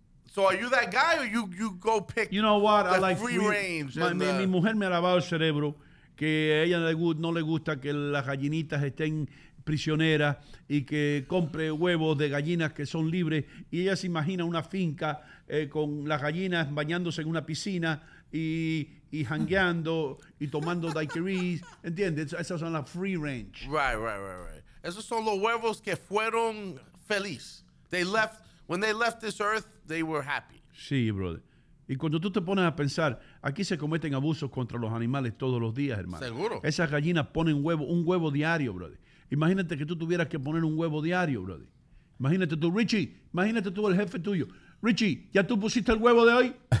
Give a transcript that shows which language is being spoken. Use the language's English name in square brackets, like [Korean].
[English] So are you that guy or you go pick? You know what? The I like free range. [Spanish] Mi mujer me ha lavado el cerebro que a ella no le gusta que las gallinitas estén prisioneras y que compre huevos de gallinas que son libres. Y ella se imagina una finca con las gallinas bañándose en una piscina y jangueando y tomando daiquiris. ¿Entiendes? Esas son las free range. [English] Right. [Spanish] Esos son los huevos que fueron felices. [English] They left. When they left this earth, they were happy. [Spanish] Sí, brother. Y cuando tú te pones a pensar, aquí se cometen abusos contra los animales todos los días, hermano. Seguro. Esas gallinas ponen huevo, un huevo diario, brother. Imagínate que tú tuvieras que poner un huevo diario, brother. Imagínate tú, Richie, imagínate tú el jefe tuyo. Richie, ¿ya tú pusiste el huevo de hoy?